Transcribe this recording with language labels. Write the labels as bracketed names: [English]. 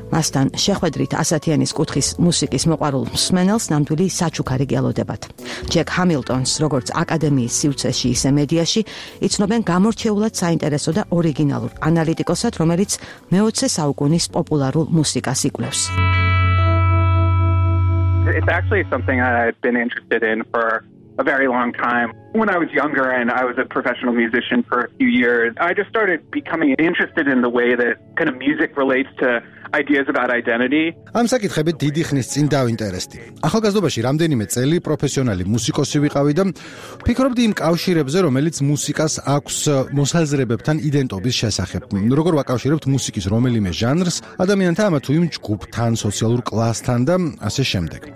[Georgian] მასთან შეხვედრით ასათიანის კუთხის მუსიკის მოყვარულ მსმენელს ნამდვილი საჩუქარი გელოდებათ. ჯეკ ჰამილტონს, როგორც აკადემიის სივრცეში, ისე მედიაში, იცნობენ გამორჩეულად საინტერესო და ორიგინალურ ანალიტიკოსად, რომელიც მეოცე საუკუნის პოპულარულ მუსიკას იკვლევს. [English] It's actually something that I've been interested in for a very long time. When I was younger and I was a professional musician for a few years, I just started becoming interested in the way that kind of music relates to ideas about identity. [Georgian] ამ საკითხებით დიდი ხნის წინ დაინტერესდი. ახალგაზრდობაში რამდენიმე წელი პროფესიონალი მუსიკოსი ვიყავი და ფიქრობდი იმ კავშირებზე, რომელიც მუსიკას აქვს მოსაზრებებთან იდენტობის შესახებ. როგორ ვაკავშირებთ მუსიკის რომელიმე ჟანრს ადამიანთან, ამა თუ იმ ჯგუფთან, სოციალურ კლასთან და ასე შემდეგ.